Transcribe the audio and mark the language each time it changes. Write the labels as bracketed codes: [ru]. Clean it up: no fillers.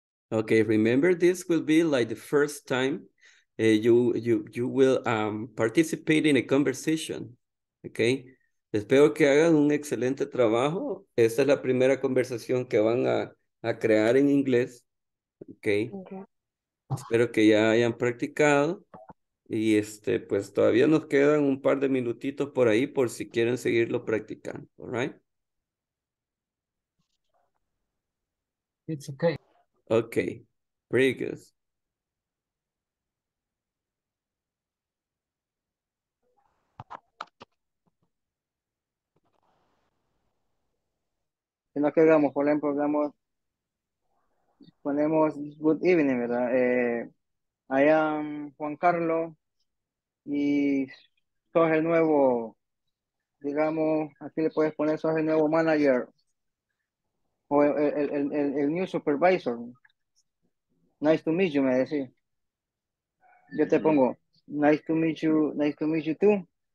[en] Okay, remember this will be like the first time you will participate in a conversation, okay? [es] Espero que hagan un excelente trabajo. Esta es la primera conversación que van a crear en inglés, okay? [en] Okay. [es] Espero que ya hayan practicado. Y este, pues todavía nos quedan un par de minutitos por ahí por si quieren seguirlo practicando, all right? [en] It's okay. Okay, pretty good. [es] Si no, ¿qué hagamos? Por ejemplo, hagamos ponemos [en] good evening, [es] ¿verdad? [en] I am Juan Carlos [es] y sos el nuevo, digamos, aquí le puedes poner, sos el nuevo manager o el [en] new supervisor. Nice to meet you, [es] me decís. Yo te pongo, [en] nice to meet you too.